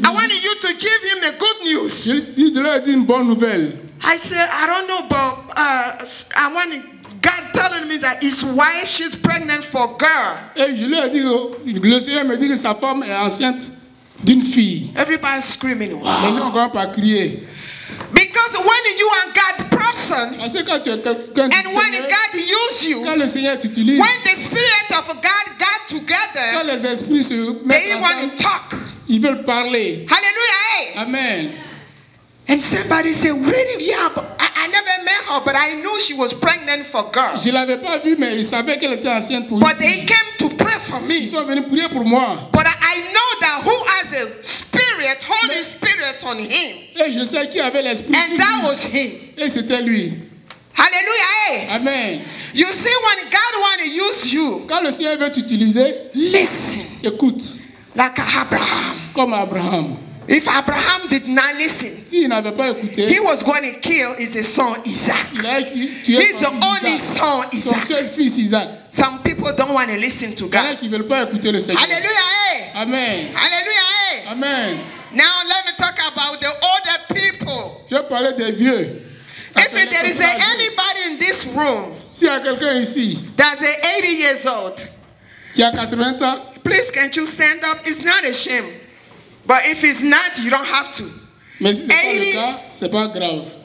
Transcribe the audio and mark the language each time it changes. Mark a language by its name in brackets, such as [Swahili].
[English] I wanted you to give him the good news. [French] Je lui ai dit une bonne nouvelle. [English] I said, I don't know, but I want God telling me that his wife, she's pregnant for a girl. [French] Et je lui ai dit, le Seigneur me dit que sa femme est enceinte d'une fille. [English] Everybody's screaming, wow. [French] Les gens ne vont pas crier. [English] Because when you are God's person, [French] parce que quand tu es quelqu'un, [English] and when God use you, [French] quand le Seigneur t'utilise, [English] when the spirit of God got together, [French] quand les esprits se mettent [English] they want to talk. [French] Ils veulent parler. Hallelujah. Hey. Amen. [English] And somebody said, really? Yeah, but I never met her, but I knew she was pregnant for girls. [French] Je l'avais pas vue, mais ils savaient qu'elle était enceinte pour. [English] But they came to pray for me. [French] Ils sont venus prier pour moi. [English] But I know that who has a spirit, Holy mais, Spirit on him. [French] Et je sais qui avait l'esprit. [English] And that was him. [French] Et c'était lui. Hallelujah. Hey. Amen. [English] You see, when God wants to use you, [French] quand le Seigneur veut t'utiliser, [English] listen. [French] Écoute. [English] Like Abraham. [French] Comme Abraham. [English] If Abraham did not listen, [French] si, il n'avait pas écouté, [English] he was going to kill his son Isaac. He's the only son Isaac. [French] Son seul fils Isaac. [English] Some people don't want to listen to God. [French] Il y a qui veulent pas écouter le Seigneur. Hallelujah. Hey. Amen. Hallelujah. Hey. Amen. [English] Now let me talk about the older people. [French] Je parlais des vieux. [English] If there is anybody in this room, [French] si y a quelqu'un ici, [English] that's 80 years old, [French] qui a 80 ans, [English] please can't you stand up? It's not a shame. But if it's not, you don't have to. [French] Mais si c'est 80, pas le cas, c'est pas grave.